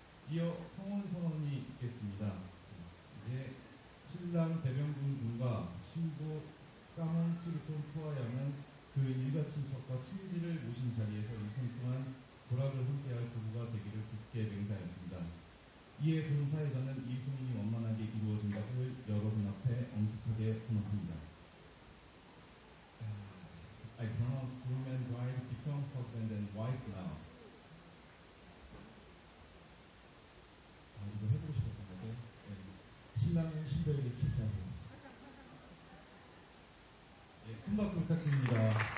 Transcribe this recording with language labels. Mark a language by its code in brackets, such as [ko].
[ko] 이어 성혼 선언이 있겠습니다. 이제 신랑 배병준과 신부 까만 시리콘 포아양은 그 일가친척과 친지를 모신 자리에서 일생 동안 도락을 함께할 부부가 되기를 굳게 맹세했습니다. 이에 본 사회자는 이 혼인이 원만하게 이루어진 것을 여러분 앞에 엄숙하게 선언합니다. [en] I pronounce groom and bride become husband and wife now. [ko] 아, 이거 해보고 싶었는데. 네. 신랑은 신부에게 키스하세요. 예, 큰 박수 부탁드립니다.